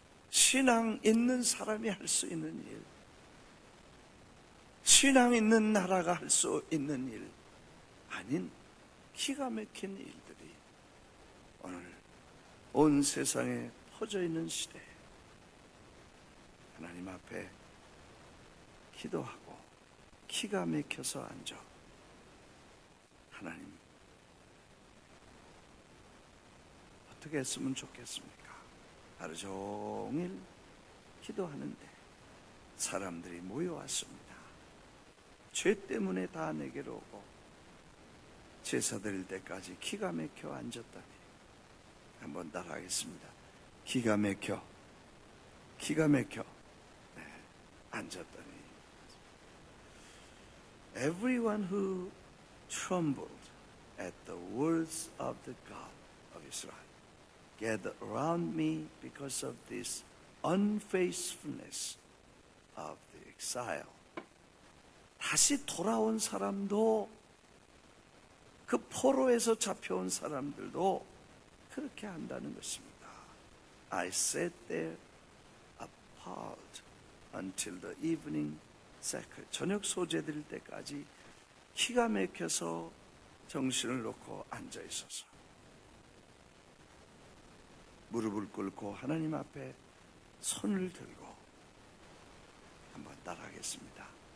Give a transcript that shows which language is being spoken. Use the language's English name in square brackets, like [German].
[Korean] 신앙 있는 사람이 할 수 있는 일, 신앙 있는 나라가 할 수 있는 일 아닌 기가 막힌 일들이 오늘 온 세상에 퍼져 있는 시대에 하나님 앞에 기도하고 기가 막혀서 앉아 하나님 어떻게 했으면 좋겠습니까? 하루 종일 기도하는데 사람들이 모여왔습니다. 죄 때문에 다 내게로 오고 제사 드릴 때까지 기가 막혀 앉았다니 한번 따라하겠습니다. 기가 막혀 기가 막혀 네, 앉았다니 [English] Everyone who trembled at the words of the God of Israel gathered around me because of this unfaithfulness of the exile. [Korean] 다시 돌아온 사람도 그 포로에서 잡혀온 사람들도 그렇게 한다는 것입니다. [English] I sat there appalled until the evening [Korean] 저녁 소재 드릴 때까지 기가 막혀서 정신을 놓고 앉아 있어서 무릎을 꿇고 하나님 앞에 손을 들고 한번 따라하겠습니다.